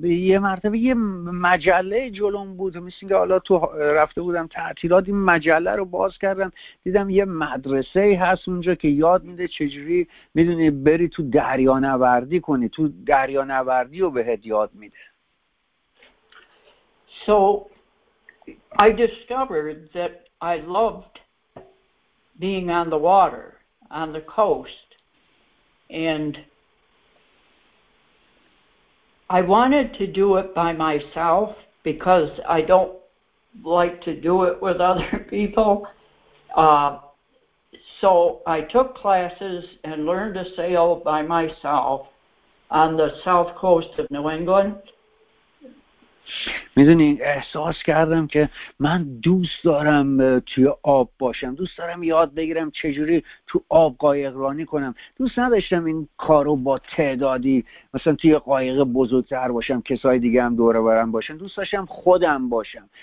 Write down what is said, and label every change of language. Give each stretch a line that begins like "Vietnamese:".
Persian: یه مرتبه یه مجله جلوم بود، مثل اینکه حالا تو رفته بودم تعطیلات، این مجله رو باز کردم دیدم یه مدرسه هست اونجا که یاد میده چجوری میدونی بری تو دریانوردی کنی، تو دریانوردی رو بهت یاد میده.
English: So I discovered that I loved being on the water, on the coast, and I wanted to do it by myself because I don't like to do it with other people. So I took classes and learned to sail by myself on the south coast of New England.
Persian: میدونی احساس کردم که من دوست دارم توی آب باشم، دوست دارم یاد بگیرم چجوری تو آب قایقرانی کنم، دوست نداشتم این کارو با تعدادی مثلا توی قایق بزرگتر باشم، کسای دیگه هم دور و برم باشن، دوست داشتم خودم باشم.